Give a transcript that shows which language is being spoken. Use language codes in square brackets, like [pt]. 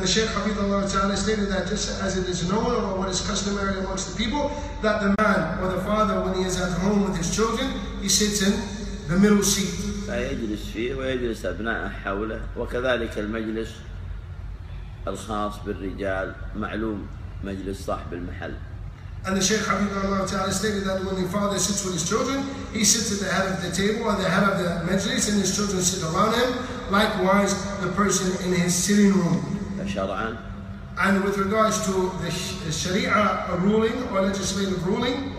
[en] the Shaykh Hafidhullah Ta'ala stated that just as it is known or what is customary amongst the people, that the man or the father, when he is at home with his children, he sits in the middle seat. [ar] فيجلس فيه ويجلس أبناءه حوله وكذلك المجلس الخاص بالرجال معلوم مجلس صاحب المحل. [en] And the Shaykh Hafidhullah Ta'ala stated that when the father sits with his children, he sits at the head of the table or the head of the majlis, and his children sit around him. Likewise, the person in his sitting room. [ar] شرعاً. [en] And with regards to the Sharia ruling or legislative ruling.